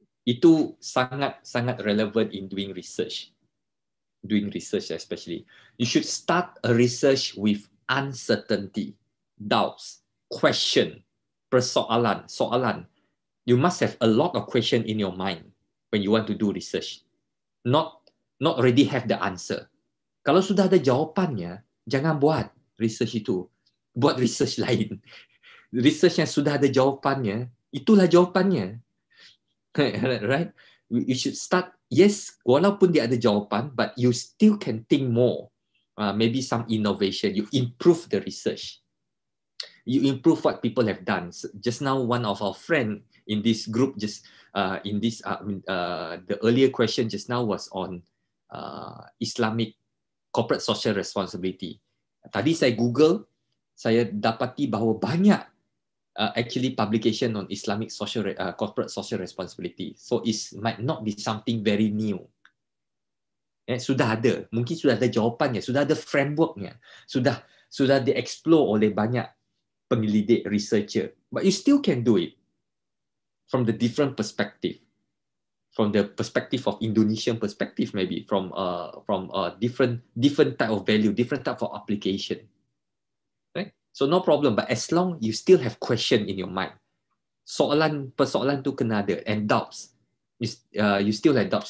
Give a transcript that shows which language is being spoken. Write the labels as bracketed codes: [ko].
[ms] itu sangat sangat [en] relevant in doing research. Doing research especially, you should start a research with uncertainty, doubts, question, [ms] persoalan, soalan. [en] You must have a lot of question in your mind when you want to do research. Not already have the answer. [ms] Kalau sudah ada jawapannya, jangan buat research itu. Buat research lain. Research yang sudah ada jawapannya, itulah jawapannya. [en] Right? You should start, yes, [ms] walaupun dia ada jawapan, [en] but you still can think more. Maybe some innovation. You improve the research. You improve what people have done. So just now, one of our friends in this group, just in this, the earlier question just now was on Islamic corporate social responsibility. [ms] Tadi saya Google, saya dapati bahawa banyak [en] actually publication on Islamic social corporate social responsibility. So it might not be something very new. [ms] Sudah ada, mungkin sudah ada jawapannya, sudah ada frameworknya, sudah di explore oleh banyak penyelidik, researcher. [en] But you still can do it from the different perspective, from the perspective of Indonesian perspective, maybe from a different type of value, different type of application. Right? So no problem. But as long you still have question in your mind, [ms] soalan persoalan tu kena ada, [en] and doubts, you still have doubts.